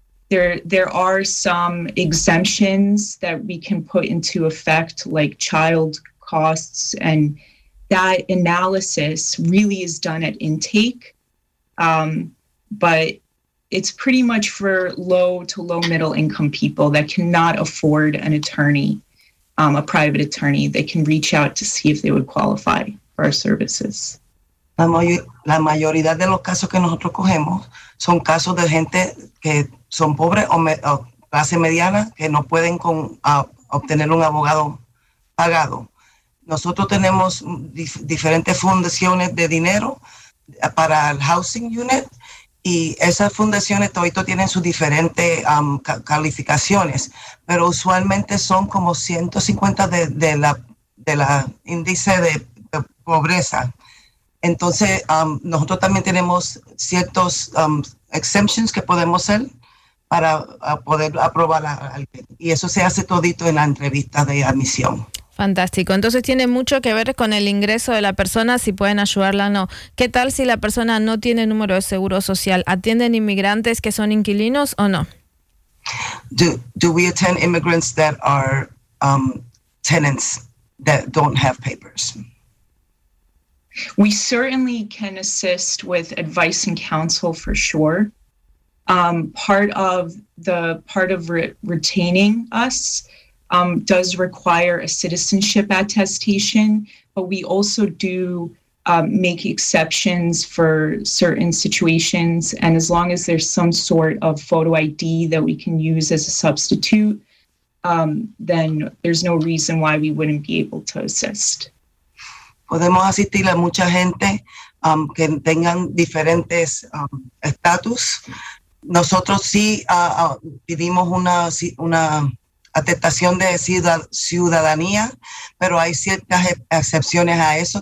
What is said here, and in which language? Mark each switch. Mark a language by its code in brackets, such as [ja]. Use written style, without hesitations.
[en] There are some exemptions that we can put into effect, like child costs, and that analysis really is done at intake. But it's pretty much for low to low middle income people that cannot afford an attorney, a private attorney. They can reach out to see if they would qualify for our services. [es] La mayoría de los casos que nosotros cogemos son casos de gente que son pobres o clase mediana que no pueden obtener un abogado pagado. Nosotros tenemos diferentes fundaciones de dinero para el housing unit y esas fundaciones todavía tienen sus diferentes calificaciones, pero usualmente son como 150 de la índice de pobreza. Entonces, nosotros también tenemos ciertos exemptions que podemos hacer para poder aprobar a alguien. Y eso se hace todito en la entrevista de admisión. Fantástico. Entonces, tiene mucho que ver con el ingreso de la persona, si pueden ayudarla o no. ¿Qué tal si la persona no tiene número de seguro social? ¿Atienden inmigrantes que son inquilinos o no? [en] Do we attend immigrants that are tenants that don't have papers? We certainly can assist with advice and counsel for sure. Part of retaining us does require a citizenship attestation, but we also do make exceptions for certain situations. And as long as there's some sort of photo ID that we can use as a substitute, then there's no reason why we wouldn't be able to assist. [es] Podemos asistir a mucha gente que tengan diferentes estatus. Nosotros sí pedimos una atestación de ciudadanía, pero hay ciertas excepciones a eso.